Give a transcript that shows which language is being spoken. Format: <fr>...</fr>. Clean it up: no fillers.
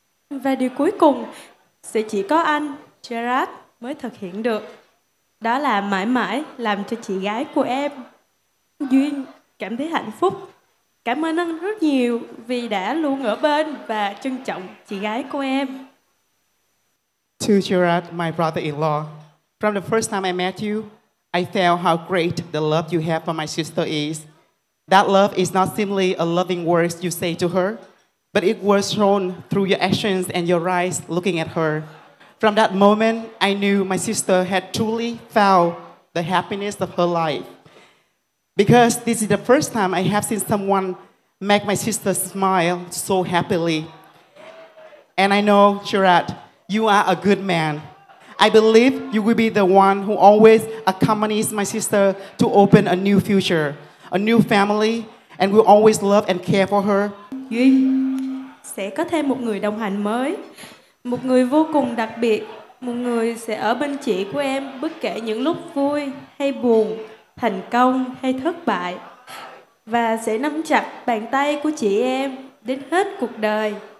<vi>Và điều cuối cùng sẽ chỉ có anh, Gerard, mới thực hiện được. Đó là mãi mãi làm cho chị gái của em, Duyên, cảm thấy hạnh phúc. Cảm ơn anh rất nhiều vì đã luôn ở bên và trân trọng chị gái của em.</vi> <en>To Gerard, my brother-in-law, from the first time I met you, I felt how great the love you have for my sister is. That love is not simply a loving words you say to her, but it was shown through your actions and your eyes looking at her. From that moment, I knew my sister had truly found the happiness of her life. Because this is the first time I have seen someone make my sister smile so happily. And I know, Gerard, you are a good man. I believe you will be the one who always accompanies my sister to open a new future, a new family, and will always love and care for her.</en> <vi>Duyên sẽ có thêm một người đồng hành mới, một người vô cùng đặc biệt, một người sẽ ở bên chị của em bất kể những lúc vui hay buồn, thành công hay thất bại, và sẽ nắm chặt bàn tay của chị em đến hết cuộc đời.</vi>